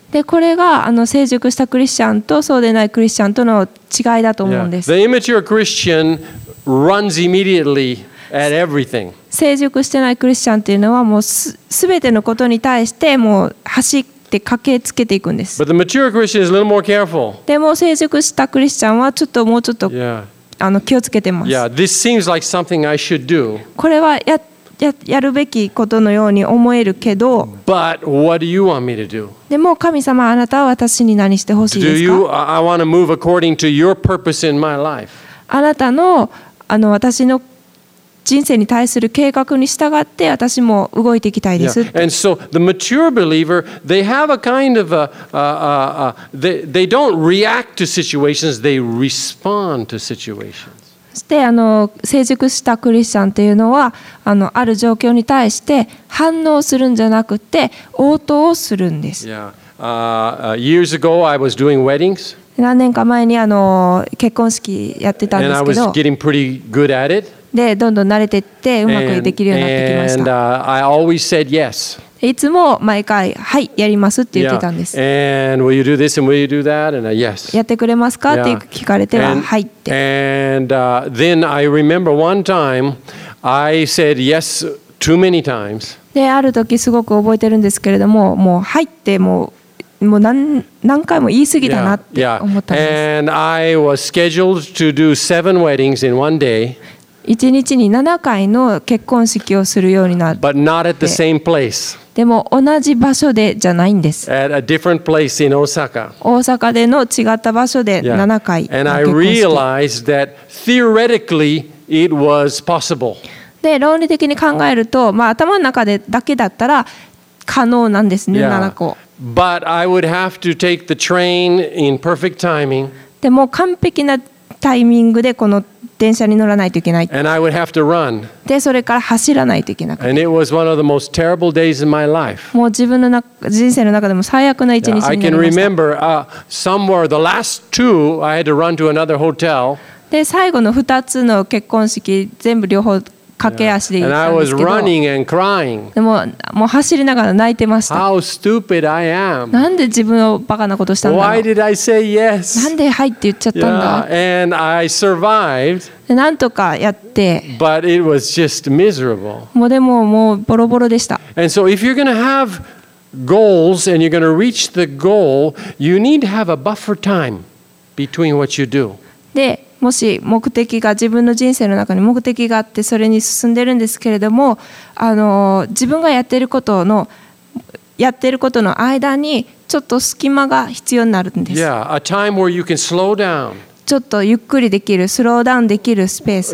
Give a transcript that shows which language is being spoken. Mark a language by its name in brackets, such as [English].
[Japanese] でこれが成熟したクリスチャンとそうでないクリスチャンとの違いだと思うんです。 [English] Yeah. The immature Christian runs immediately at everything. [Japanese] 成熟してないクリスチャンというのはもうすべてのことに対してもう走って駆けつけていくんです。 [English] But the mature Christian is a little more careful. [Japanese] でも成熟したクリスチャンはちょっともうちょっと気をつけてます。 [English] Yeah, this seems like something I should do. [Japanese] これはやるべきことのように思えるけど、 [English] But what do you want me to do? [Japanese] でも神様、あなたは私に何してほしいですか？ [English] Do you, I want to move according to your purpose in my life. [Japanese] あなたの私の人生に対する計画に従って私も動いていきたいです。 [English] Yeah. And so the mature believer, they have a kind of they don't react to situations, they respond to situations. [Japanese] そして成熟したクリスチャンというのはある状況に対して反応するんじゃなくて応答をするんです。 [English] Years ago, I was doing weddings. [Japanese] 何年か前に結婚式やってたんですけど、 [English] And I was getting pretty good at it. [Japanese] でどんどん慣れていってうまくできるようになってきました。 [English] I always said yes. [Japanese] いつも毎回はいやりますって言ってたんです。 [English] And will you do this and will you do that and a yes. [Japanese] やってくれますかって聞かれてははいって。 [English] And then I remember one time I said yes too many times. [Japanese] である時すごく覚えてるんですけれども、もうはいってもう何回も言い過ぎだなって思ったんです。 [English] Yeah. And I was scheduled to do 7 weddings in one day. [Japanese] 1日に7回の結婚式をするようになって、 [English] But not at the same place. [Japanese] でも同じ場所でじゃないんです。 [English] At a different place in Osaka. [Japanese] 大阪での違った場所で7回の結婚式。 [English] And I realized that theoretically it was possible. [Japanese] で、論理的に考えると、まあ、頭の中でだけだったら可能なんですね、7個。 [English] But I would have to take the train in perfect timing. [Japanese] でも完璧なタイミングでこの電車に乗らないといけない。 [English] And I would have to run. [Japanese] で、それから走らないといけなくて。 [English] And it was one of the most terrible days in my life. [Japanese] もう自分の人生の中でも最悪な一日になりました。 [English] I can remember, somewhere the last two, I had to run to another hotel. [Japanese] で、最後の2つの結婚式、全部両方駆け足で行ったんですけど。 [English] And I was running and crying. [Japanese] でももう走りながら泣いてました。 [English] How stupid I am. [Japanese] なんで自分をバカなことしたんだろう。 [English] Why did I say yes? [Japanese] なんではいって言っちゃったんだ。 [English] Yeah, and I survived. [Japanese] で、なんとかやって。 [English] But it was just miserable. [Japanese] もうでももうボロボロでした。 [English] And so if you're going to have goals and you're going to reach the goal, you need to have a buffer time between what you do. [Japanese] で、もし目的が自分の人生の中に目的があってそれに進んでるんですけれども、自分がやってることの間にちょっと隙間が必要になるんです。 [English] Yeah, a time where you can slow down. [Japanese] ちょっとゆっくりできるスローダウンできるスペース、